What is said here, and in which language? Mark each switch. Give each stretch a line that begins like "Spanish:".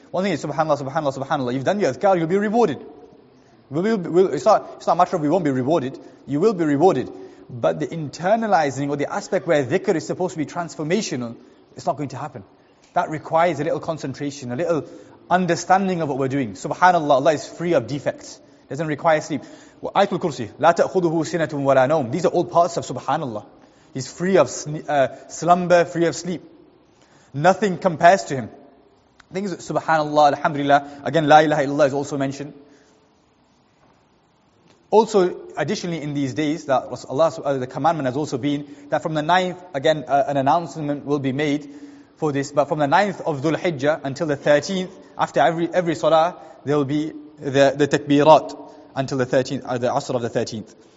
English: One thing is, Subhanallah, Subhanallah, Subhanallah. You've done your adhkar, you'll be rewarded. It's not a matter of we won't be rewarded. You will be rewarded. But the internalizing or the aspect where dhikr is supposed to be transformational, it's not going to happen. That requires a little concentration, a little understanding of what we're doing. Subhanallah, Allah is free of defects. Doesn't require sleep.
Arabic: Ayatul Kursi, لَا تَأْخُذُهُ سِنَةٌ وَلَا نَوْمٌ.
English: These are all parts of Subhanallah. He's free of slumber, free of sleep. Nothing compares to him. Things that Subhanallah, Alhamdulillah. Again, La ilaha illallah is also mentioned. Also, additionally in these days, that Allah, the commandment has also been, that from the 9th, again, an announcement will be made for this, but from the 9th of Dhul Hijjah until the 13th, after every salah, there will be the takbirat until the 13th, the asr of the 13th.